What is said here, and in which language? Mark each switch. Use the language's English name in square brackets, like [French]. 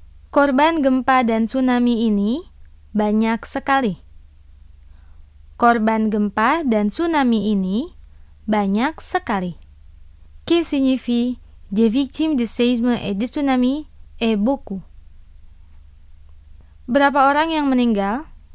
[Indonesian] Korban gempa dan tsunami ini banyak sekali. Korban gempa dan tsunami ini banyak sekali. [French] Qui signifie des victimes de séisme et de tsunami est beaucoup. [Indonesian] Berapa orang yang meninggal?